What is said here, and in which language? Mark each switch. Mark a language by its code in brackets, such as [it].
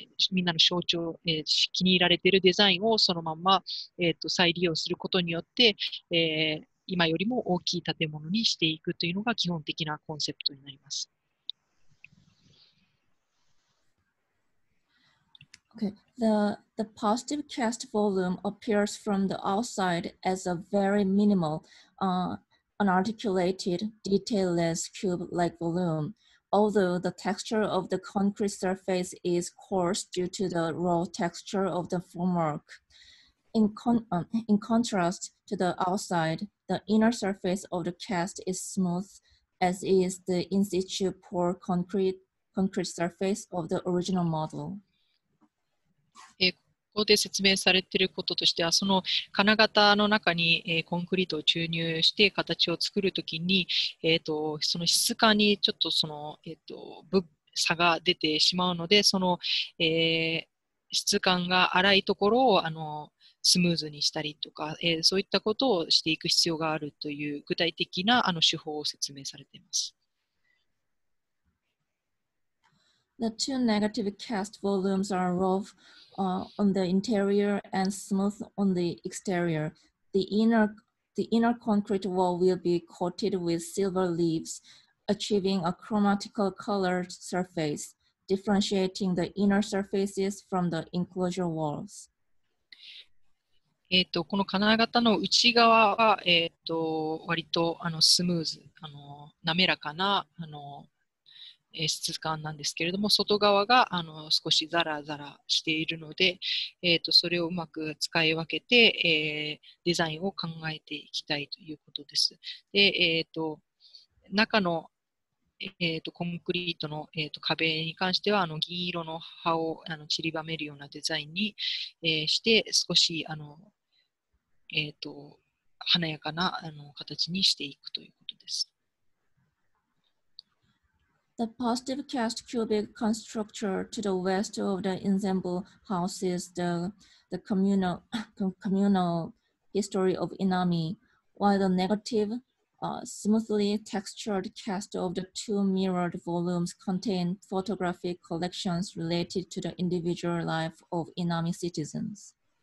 [ja] みんなの象徴、気に入られているデザインをそのまま、再利用することによって、今よりも大きい建物にしていくというのが基本的なコンセプトになります。 [en] Okay. The positive cast volume appears from the outside as a very minimal, unarticulated, detailless cube-like volume. Although the texture of the concrete surface is coarse due to the raw texture of the formwork. In contrast to the outside, the inner surface of the cast is smooth, as is the in-situ pour concrete surface of the original model. [ja] ここで説明されていることとしては、その金型の中に、コンクリートを注入して形を作るときに、その質感にちょっとその、差が出てしまうので、その、質感が粗いところをスムーズにしたりとか、そういったことをしていく必要があるという具体的な手法を説明されています。 [en] The two negative cast volumes are rough, on the interior and smooth on the exterior. The inner concrete wall will be coated with silver leaves, achieving a chromatical colored surface, differentiating the inner surfaces from the enclosure walls. [ja] この金型の内側は、割とスムーズ、滑らかな、質感なんですけれども、外側が少しザラザラしているので、それをうまく使い分けて、デザインを考えていきたいということです。で、中のコンクリートの壁に関しては銀色の葉を散りばめるようなデザインにして少し華やかな形にしていくということです。 [en] The positive cast cubic constructure to the west of the ensemble house is the communal history of Inami, while the negative smoothly textured cast of the two mirrored volumes contain photographic collections related to the individual life of Inami citizens.